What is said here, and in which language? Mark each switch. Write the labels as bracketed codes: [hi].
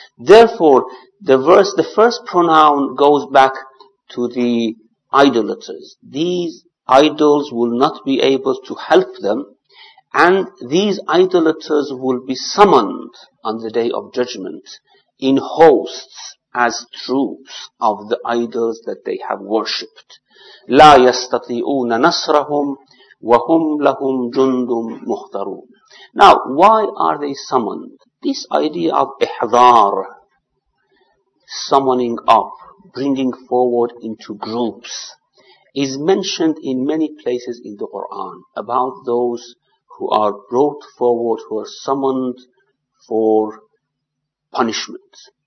[en] Therefore, the first pronoun goes back to the idolaters. These idols will not be able to help them, and these idolaters will be summoned on the day of judgment in hosts as troops of the idols that they have worshipped. [ar] لا يستطيعون نصرهم وهم لهم جند محضرون. [en] Now, why are they summoned? This idea of ihdar, summoning up, bringing forward into groups, is mentioned in many places in the Quran about those who are brought forward, who are summoned for punishment.